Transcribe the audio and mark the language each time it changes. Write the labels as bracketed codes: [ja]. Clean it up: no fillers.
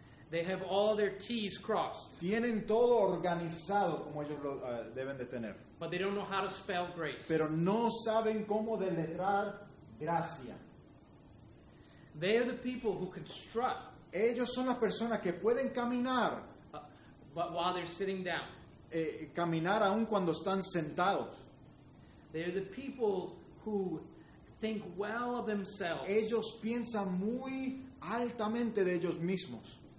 [en] They have all their T's crossed. [es] Tienen todo organizado como ellos lo deben de tener. [en] But they don't know how to spell grace. [es] Pero no saben cómo deletrar gracia. [en] They are the people who construct. [es] Ellos son las personas que pueden caminar. [en] But while they're sitting down. [es] Caminar aún cuando están sentados. [en] They are the people who think well of themselves. [es] Ellos piensan muy altamente de ellos mismos.